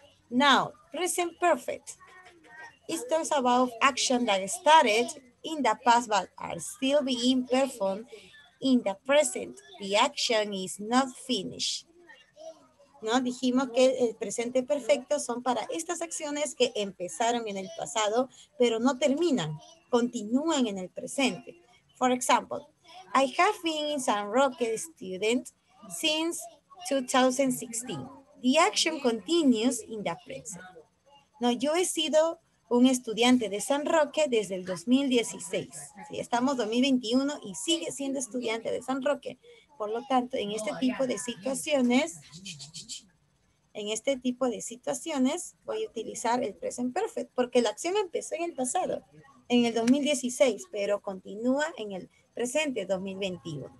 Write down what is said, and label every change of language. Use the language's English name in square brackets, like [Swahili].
[English] Now, present perfect. It talks about action that started in the past but are still being performed in the present. The action is not finished. [Spanish] No, dijimos que el presente perfecto son para estas acciones que empezaron en el pasado, pero no terminan, continúan en el presente. [English] For example, I have been in San Roque student since 2016. The action continues in the present. [Spanish] No, yo he sido un estudiante de San Roque desde el 2016. Sí, estamos 2021 y sigue siendo estudiante de San Roque. Por lo tanto, en este tipo de situaciones, en este tipo de situaciones, voy a utilizar el present perfect, porque la acción empezó en el pasado, en el 2016, pero continúa en el presente 2021.